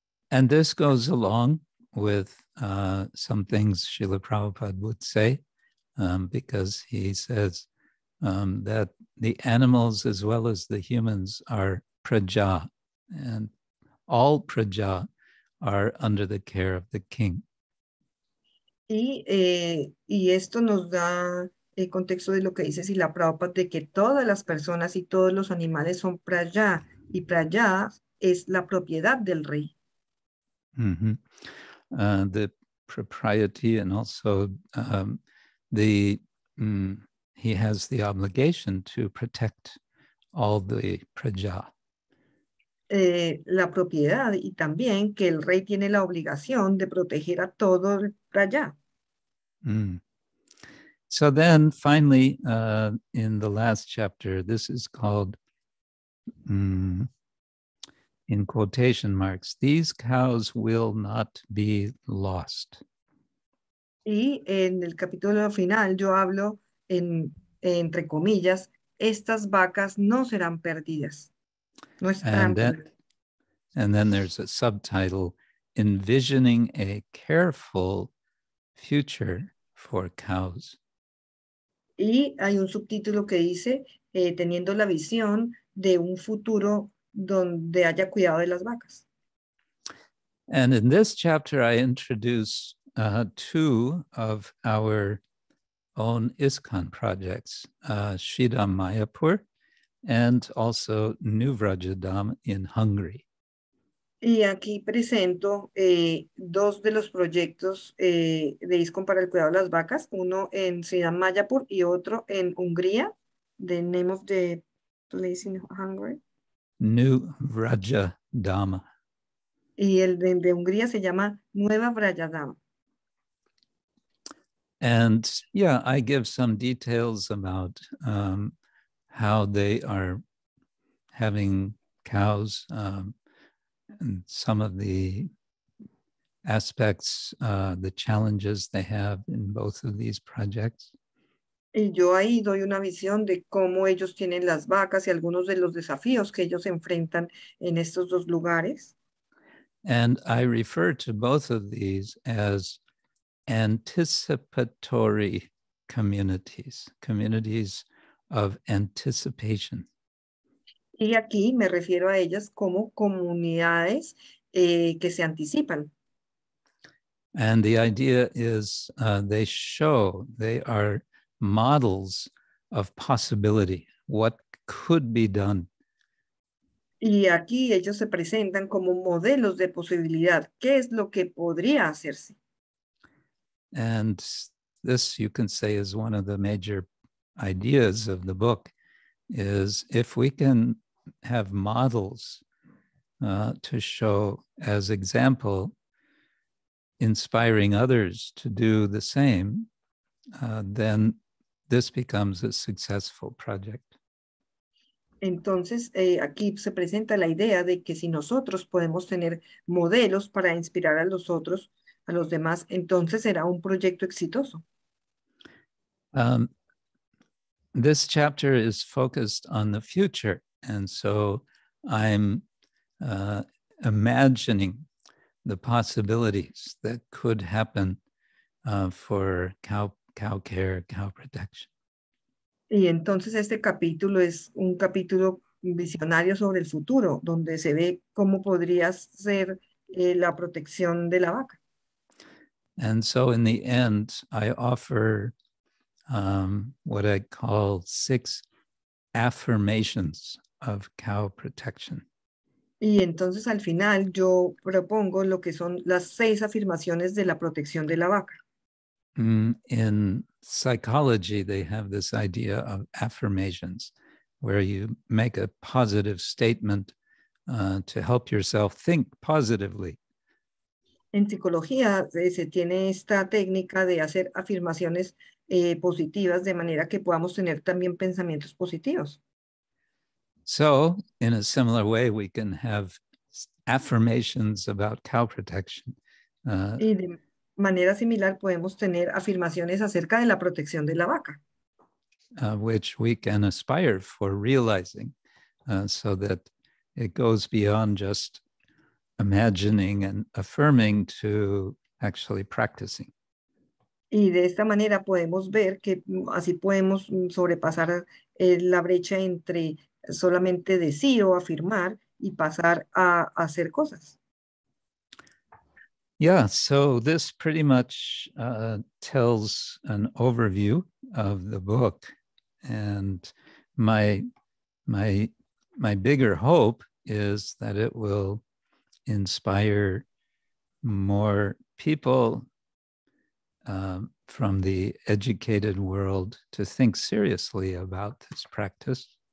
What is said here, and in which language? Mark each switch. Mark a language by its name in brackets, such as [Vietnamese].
[English] And this goes along with some things Srila Prabhupada would say because he says that the animals as well as the humans are praja, and all praja are under the care of the king. [Spanish] Y esto nos da el contexto de lo que dice Sila Prabhupada, de que todas las personas y todos los animales son praja, y praja es la propiedad del rey. Mm-hmm. [English] The propriety and also he has the obligation to protect all the praja. [Spanish] La propiedad y también que el rey tiene la obligación de proteger a todo el praja. Mm. [English] So then finally, in the last chapter, this is called, in quotation marks, "These cows will not be lost." [Spanish] Y en el capítulo final yo hablo entre comillas, estas vacas no serán perdidas. No estarán [English] And then there's a subtitle, "Envisioning a careful future for cows." [Spanish] Y hay un subtítulo que dice, teniendo la visión de un futuro donde haya cuidado de las vacas. [English] And in this chapter I introduce two of our own ISKCON projects, Shidam Mayapur and also Nuvrajadam in Hungary. [Spanish] Y aquí presento dos de los proyectos de ISKCON para el cuidado de las vacas, uno en Ciudad Mayapur y otro en Hungría. [English] The name of the place in Hungary. Nuvrajadam. [Spanish] Y el de Hungría se llama Nueva Vrajadam. [English] And yeah, I give some details about how they are having cows. And some of the aspects, the challenges they have in both of these projects. [Spanish] Y yo ahí doy una visión de cómo ellos tienen las vacas y algunos de los desafíos que ellos enfrentan en estos dos lugares. [English] And I refer to both of these as anticipatory communities, communities of anticipation. [Spanish] Y aquí me refiero a ellas como comunidades que se anticipan. [English] And the idea is they show, they are models of possibility, what could be done. [Spanish] Y aquí ellos se presentan como modelos de posibilidad, ¿qué es lo que podría hacerse? [English] And this, you can say, is one of the major ideas of the book, is if we can have models to show as example, inspiring others to do the same, then this becomes a successful project. [Spanish] Entonces, aquí se presenta la idea de que si nosotros podemos tener modelos para inspirar a los otros, a los demás, entonces será un proyecto exitoso. [English] This chapter is focused on the future. And so I'm imagining the possibilities that could happen for cow care, cow protection. [Spanish] Y entonces este capítulo es un capítulo visionario sobre el futuro, donde se ve cómo podría ser la protección de la vaca. [English] And so in the end, I offer what I call 6 affirmations of cow protection. [Spanish] Y entonces al final yo propongo lo que son las 6 afirmaciones de la protección de la vaca. [English] In psychology, they have this idea of affirmations, where you make a positive statement to help yourself think positively. [Spanish] En psicología se tiene esta técnica de hacer afirmaciones positivas de manera que podamos tener también pensamientos positivos. [English] So, in a similar way, we can have affirmations about cow protection. [Spanish] Y de manera similar podemos tener afirmaciones acerca de la protección de la vaca. [English] Which we can aspire for realizing, so that it goes beyond just imagining and affirming to actually practicing. [Spanish] Y de esta manera podemos ver que así podemos sobrepasar la brecha entre solamente decir o afirmar y pasar a hacer cosas. [English] Yeah, so this pretty much tells an overview of the book, and my bigger hope is that it will inspire more people from the educated world to think seriously about this practice.